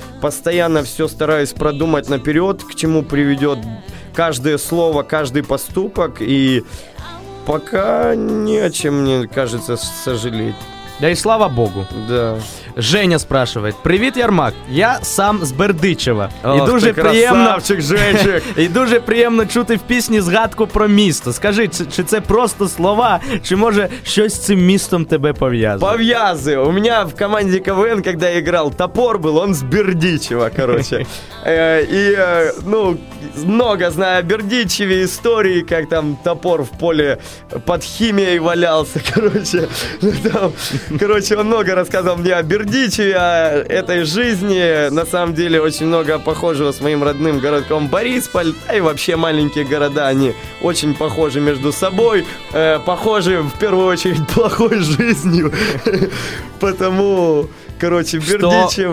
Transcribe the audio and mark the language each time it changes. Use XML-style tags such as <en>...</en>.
<ru>Постоянно все стараюсь продумать наперед, к чему приведет каждое слово, каждый поступок. И пока не о чем, мне кажется, сожалеть. Да и слава богу. Да. Женя спрашивает: «Привет, Ярмак,</ru> <uk>я сам з Бердичева».</uk> <ru>Ох, ты красавчик, Женчик.</ru> <uk>«І дуже приємно чути в пісні згадку про місто. Скажи, чи це просто слова, чи може щось з цим містом тебе пов'язує?» Пов'язує. У мене в команді КВН, коли я грав, топор був, він з Бердичева, короче. І, ну,</uk> <ru>много знаю о Бердичеве,</ru> <uk>історії, як там топор в полі під хімією валявся, короче.</uk> <ru>Короче, он много рассказывал мне о Бердичеве, о этой жизни. На самом деле, очень много похожего с моим родным городком Борисполь. Да и вообще маленькие города, они очень похожи между собой. Похожи, в первую очередь, плохой жизнью. Потому, короче, в Бердичеве...</ru>